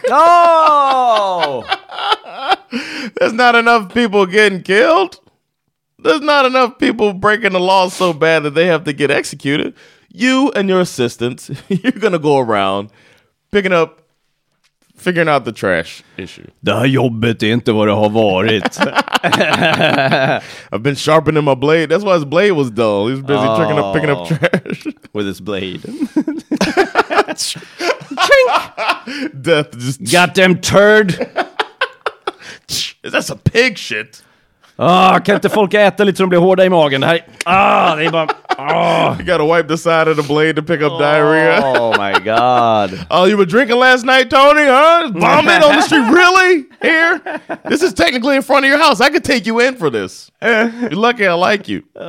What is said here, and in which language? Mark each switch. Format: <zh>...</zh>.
<en>Oh! There's not enough people getting killed. There's not enough people breaking the law so bad that they have to get executed. You and your assistants, you're going to go around picking up, figuring out the trash issue.</en> <sv>Det här jobbet är inte vad det har varit.</sv> <en>I've been sharpening my blade. That's why his blade was dull. He's busy picking up trash. With his blade. Death just... Goddamn turd. Is that some pig shit?</en> <sv>Kan inte folk äta lite så de blir hårda i magen? Det här, det är bara...</sv> <en>You gotta wipe the side of the blade to pick up diarrhea. Oh my god. Oh, you were drinking last night, Tony, huh? Vomit on the street, really? Here? This is technically in front of your house. I could take you in for this. You're lucky I like you.</en>